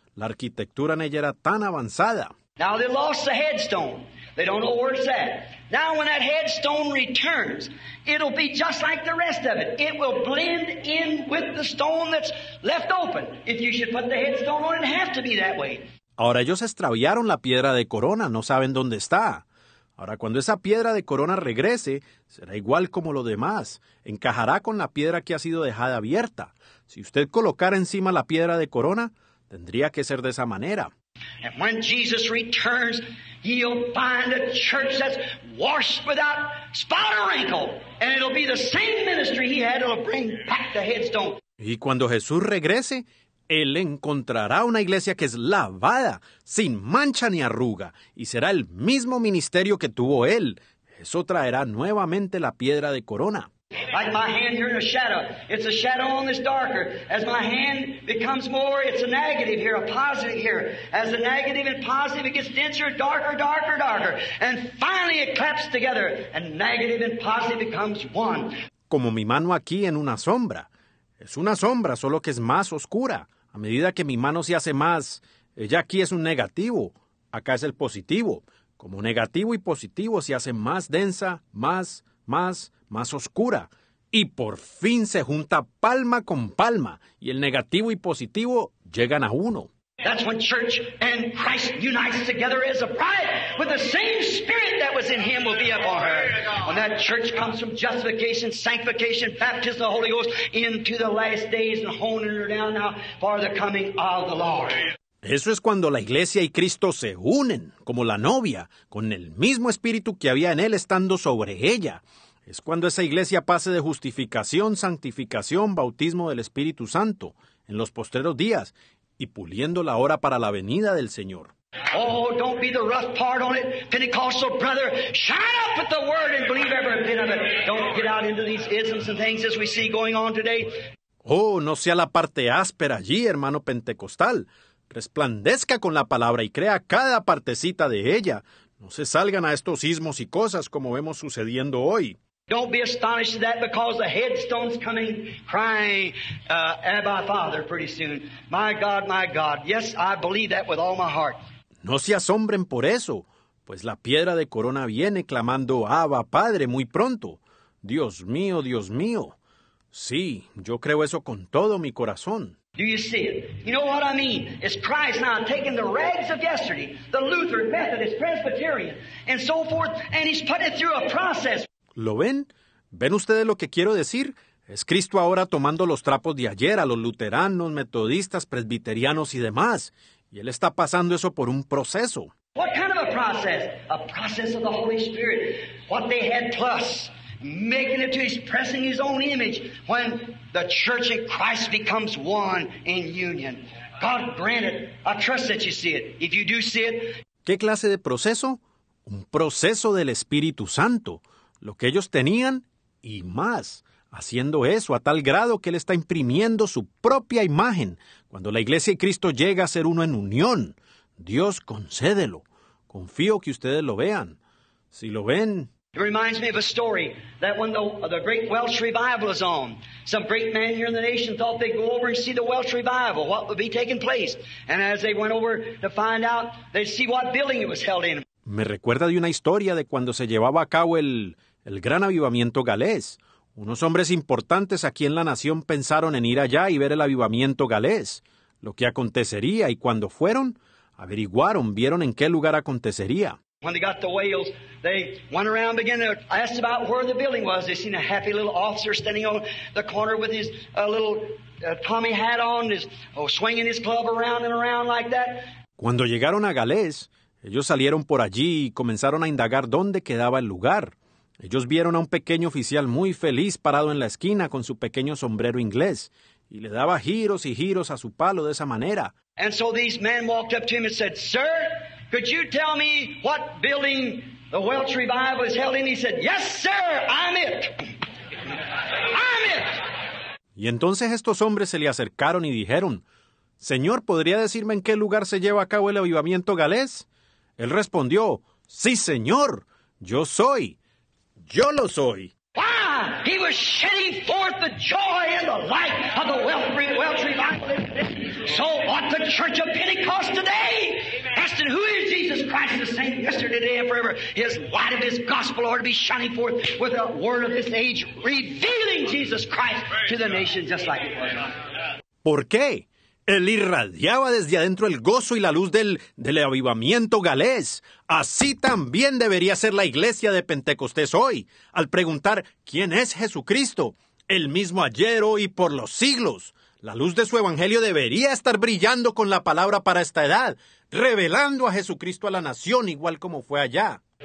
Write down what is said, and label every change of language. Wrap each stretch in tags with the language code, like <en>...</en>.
<es>La arquitectura en ella era tan avanzada.</es> <en>Now they lost the headstone. They don't know where it's at. Now when that headstone returns, it'll be just like the rest of it. It will blend in with the stone that's left open. If you should put the headstone on, it'd have to be that way.</en> <es>Ahora ellos extraviaron la piedra de corona, no saben dónde está. Ahora cuando esa piedra de corona regrese, será igual como lo demás. Encajará con la piedra que ha sido dejada abierta. Si usted colocara encima la piedra de corona, tendría que ser de esa manera.</es> <en>And when Jesus returns, you'll find a church that's washed without spot or wrinkle. And it'll be the same ministry he had, it'll bring back the headstone.</en> <es>Y cuando Jesús regrese, él encontrará una iglesia que es lavada, sin mancha ni arruga, y será el mismo ministerio que tuvo él. Eso traerá nuevamente la piedra de corona.</es> <en>Like my hand here in the shadow, it's a shadow on this darker. As my hand becomes more, it's a negative here, a positive here. As the negative and positive, it gets denser, darker, darker, darker. And finally it claps together, and negative and positive becomes one.</en> <es>Como mi mano aquí en una sombra. Es una sombra, solo que es más oscura. A medida que mi mano se hace más, ella aquí es un negativo, acá es el positivo. Como negativo y positivo se hace más densa, más, más, más oscura. Y por fin se junta palma con palma, y el negativo y positivo llegan a uno.</es> <en>That's when church and Christ unites together as a bride with the same spirit that was in him will be upon her. When that church comes from justification, sanctification, baptism of the Holy Ghost into the last days and honing her down now for the coming of the Lord.</en> <es>Eso es cuando la iglesia y Cristo se unen como la novia con el mismo espíritu que había en él estando sobre ella. Es cuando esa iglesia pase de justificación, santificación, bautismo del Espíritu Santo en los postreros días y puliendo la hora para la venida del Señor.</es> <en>Oh, don't be the rough part on it, Pentecostal brother. Shine up with the word and believe every bit of it. Don't get out into these isms and things as we see going on today.</en> <es>Oh, no sea la parte áspera allí, hermano pentecostal. Resplandezca con la palabra y crea cada partecita de ella. No se salgan a estos ismos y cosas como vemos sucediendo hoy.</es> <en>Don't be astonished at that because the headstone's coming crying, Abba, Father, pretty soon. My God, yes, I believe that with all my heart.</en> <es>No se asombren por eso, pues la piedra de corona viene clamando Abba, Padre, muy pronto. Dios mío, Dios mío. Sí, yo creo eso con todo mi corazón.</es> <en>Do you see it? You know what I mean? It's Christ now taking the rags of yesterday, the Lutheran, Methodist, Presbyterian, and so forth, and he's put it through a process.</en> <es>¿Lo ven? ¿Ven ustedes lo que quiero decir? Es Cristo ahora tomando los trapos de ayer a los luteranos, metodistas, presbiterianos y demás. Y Él está pasando eso por un proceso.</es> <en>What kind of a process? A process of the Holy Spirit. What they had plus. Making it to expressing His own image. When the church in Christ becomes one in union. God grant it. I trust that you see it. If you do see it.</en> <es>¿Qué clase de proceso? Un proceso del Espíritu Santo. Lo que ellos tenían y más, haciendo eso a tal grado que Él está imprimiendo su propia imagen. Cuando la iglesia y Cristo llega a ser uno en unión, Dios concédelo. Confío que ustedes lo vean. Si lo ven...</es> <en>It reminds me of a story that when the great Welsh revival is on, some great man here in the nation thought they'd go over and see the Welsh revival, what would be taking place. And as they went over to find out, they'd see what building it was held in.</en> <es>Me recuerda de una historia de cuando se llevaba a cabo el gran avivamiento galés. Unos hombres importantes aquí en la nación pensaron en ir allá y ver el avivamiento galés. Lo que acontecería y cuando fueron, averiguaron, vieron en qué lugar acontecería.</es> <en>When they got to Wales, they went around and began to ask about where the building was. They seen a happy little officer standing on the corner with his Tommy hat on, swinging his club around and around like that.</en> <es>Cuando llegaron a Galés, ellos salieron por allí y comenzaron a indagar dónde quedaba el lugar. Ellos vieron a un pequeño oficial muy feliz parado en la esquina con su pequeño sombrero inglés y le daba giros y giros a su palo de esa manera.</es> <en>And so these men walked up to him and said, "Sir, could you tell me what building the Welsh Revival is held in?" He said, "Yes, sir, I'm it. I'm it."</en> <es>Y entonces estos hombres se le acercaron y dijeron, "Señor, ¿podría decirme en qué lugar se lleva a cabo el avivamiento galés?" Él respondió, "Sí, señor, yo soy. Yo lo soy."</es> <en>Wow, he was shedding forth the joy and the light of the Welsh Revival. So ought the church of Pentecost today. Aston, who is Jesus Christ the same yesterday, today, and forever. His light of his gospel ought to be shining forth with the word of this age, revealing Jesus Christ to the nations just like it was.</en> <es>¿Por qué? Él irradiaba desde adentro el gozo y la luz del avivamiento galés. Así también debería ser la iglesia de Pentecostés hoy, al preguntar quién es Jesucristo, el mismo ayer, hoy y por los siglos. La luz de su evangelio debería estar brillando con la palabra para esta edad, revelando a Jesucristo a la nación igual como fue allá.</es>